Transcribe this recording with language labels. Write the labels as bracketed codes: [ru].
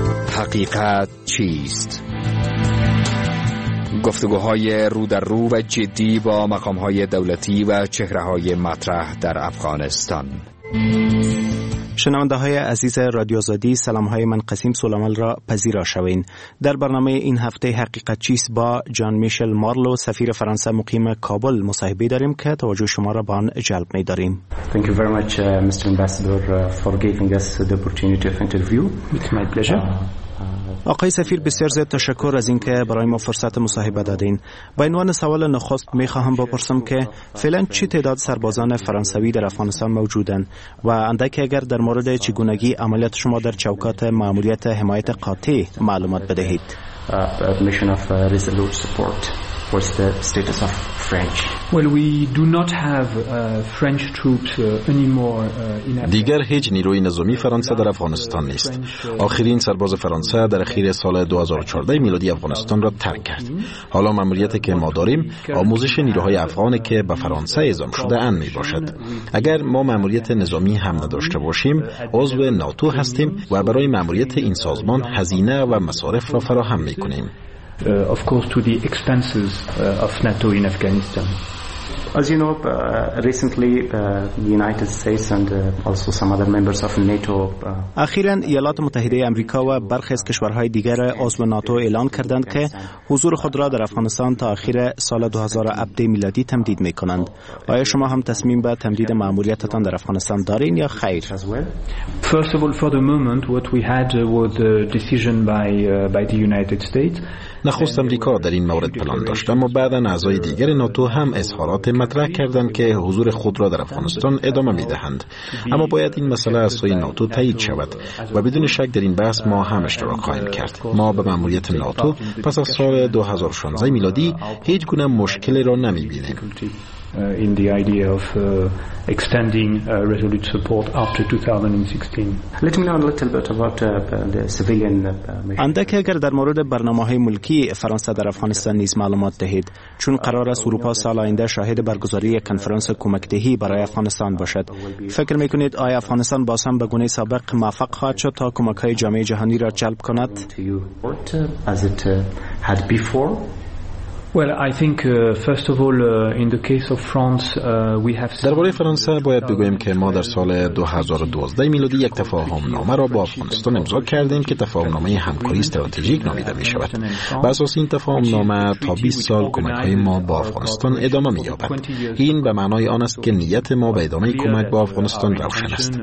[fa] حقیقت چیست؟ گفتگوهای رو در رو و جدی با مقامهای دولتی و چهرههای مطرح در افغانستان. شنونده های عزیز رادیو آزادی، سلام های من قسیم سلامل را پذیرا شوین. در برنامه این هفته حقیقت چیست با جان میشل مارلو، سفیر فرانسه مقیم کابل مصاحبه داریم که توجه شما را به آن جلب می داریم. [en] Thank you very much Mr. Ambassador for giving us the opportunity of interview. It's my pleasure. [fa] آقای سفیر بسیار زیاد تشکر از اینکه برای ما فرصت مصاحبه دادین. با عنوان سوال نخست میخواهم بپرسم که فعلا چه تعداد سربازان فرانسوی در افغانستان موجودند و اندکی اگر در مورد چگونگی عملیات شما در چوکات ماموریت حمایت قاطع معلومات بدهید. [en] Mission of Resolute Support. What's the status of French? Well, we do not have French troops anymore in Afghanistan. [fa] دیگر هیچ نیروی نظامی فرانسه در افغانستان نیست. آخرین سرباز فرانسه در اخیر سال 2014 میلادی افغانستان را ترک کرد. حالا ماموریتی که ما داریم آموزش نیروهای افغان که به فرانسه اعزام شده اند می باشد. اگر ما ماموریت نظامی هم نداشته باشیم، عضو ناتو هستیم و برای ماموریت این سازمان هزینه و مصارف را فراهم می کنیم. [en] Of course, to the expenses of NATO in Afghanistan. As you know, recently the United States and also some other members of NATO. [fa] اخیراً ایالات متحده آمریکا و برخی از کشورهای دیگر عضو ناتو اعلان کردند که حضور خود را در افغانستان تا آخر سال 2007 میلادی تمدید می‌کنند. آیا شما هم تصمیم به تمدید ماموریتتان در افغانستان دارین یا خیر؟ [en] First of all, for the moment, what we had was the decision by the United States. [fa] نخست آمریکا در این مورد پلان داشت، اما بعداً اعضای دیگر ناتو هم اظهارات مطرح کردند که حضور خود را در افغانستان ادامه می‌دهند. اما باید این مسئله از سوی ناتو تایید شود و بدون شک در این بحث ما هم اشتراک خواهیم کرد. ما به ماموریت ناتو پس از سال 2016 میلادی هیچ گونه مشکلی را نمی‌بینیم. [en] In the idea of extending resolute support after 2016. Let me know a little bit about the civilian mission. [fa] اندکی اگر در مورد برنامه‌های ملکی فرانسه در افغانستان نیز معلومات دهید، چون قرار است اروپا سال آینده شاهد برگزاری یک کنفرانس کمک‌دهی برای افغانستان باشد. فکر می‌کنید آیا افغانستان باز هم به گونه سابق موفق خواهد شد تا کمک‌های جامعه جهانی را جلب کند؟ [en] As it had before. Well, I think first of all in the case of France we have [fa] در باره فرانسه باید بگویم که ما در سال 2012 میلادی یک تفاهم نامه را با افغانستان امضا کردیم که تفاهم نامه همکاری استراتژیک نامیده می شود. بر اساس این تفاهم نامه تا 20 سال کمک های ما با افغانستان ادامه می یابد. این به معنای آن است که نیت ما به ادامه کمک با افغانستان روشن است.